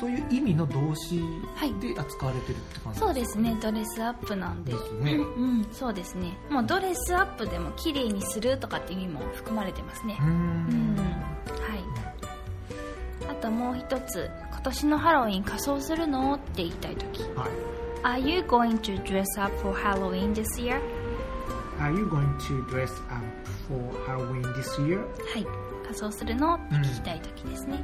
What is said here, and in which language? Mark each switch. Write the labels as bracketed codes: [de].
[ja] そういう意味の動詞で扱われてるって感じですか、ね、そうですね、ドレスアップなんで、ですね、うん、そうですね、もうドレスアップでも綺麗にするとかって意味も含まれてますね。うん、はい、あともう一つ、今年のハロウィン仮装するのって言いたい時、はい、 [en] Are you going to dress up for Halloween this year? Are you going to dress up for Halloween this year? [ja] はい、仮装するのって聞きたい時ですね。